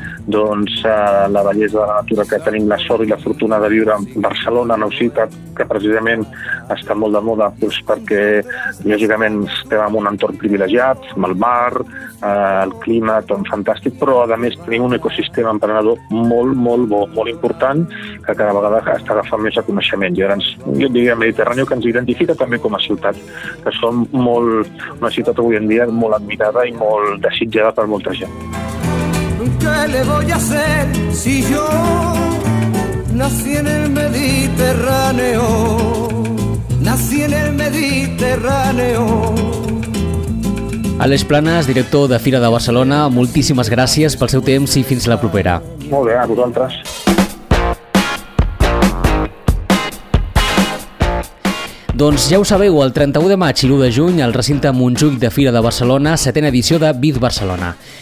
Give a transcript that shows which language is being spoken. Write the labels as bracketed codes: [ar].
[ca] doncs, la bellesa de la natura que tenim la sort i la fortuna de viure en Barcelona, una ciutat que precisament està molt de moda, doncs, perquè lògicament estem en un entorn privilegiat, amb el mar, el clima, tot fantàstic, però a més tenim un ecosistema emprenedor molt, molt bo, molt important, que cada vegada està agafant més reconeixement. Jo et diria Mediterrani, que ens identifica també com a ciutat, que som molt, una ciutat avui en dia molt admirada i molt desitjada per molta gent. [es] ¿Qué le voy a hacer si yo nací en el Mediterráneo? Nací en el Mediterráneo. [ca] Àlex Planas, director de Fira de Barcelona, moltíssimes gràcies pel seu temps i fins la propera. Molt bé, a vosaltres. Doncs ja ho sabeu, el 31 de maig i l'1 de juny al recinte Montjuïc de Fira de Barcelona, setena edició de Bid Barcelona.